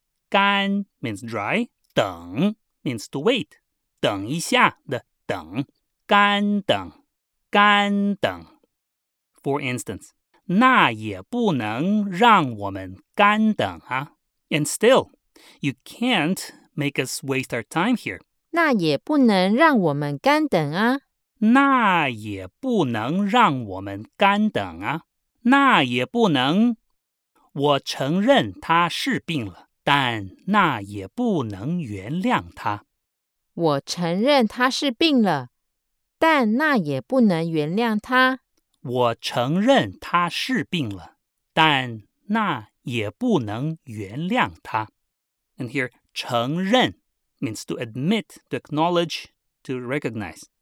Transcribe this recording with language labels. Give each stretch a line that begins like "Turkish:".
English: 干 means dry. 等 means to wait.
Chinese: 等一下的等。干等。干等。
English: For instance,
Chinese: 那也不能让我们干等啊。
English: And still, you can't make us waste our time here.
Chinese: 那也不能让我们干等啊。那也不能让我们干等啊。那也不能。我承认他是病了，但那也不能原谅他。我承认他是病了，但那也不能原谅他。我承认他是病了，但那也不能原谅他。
English: And here, 承认 means to admit, to acknowledge, to recognize.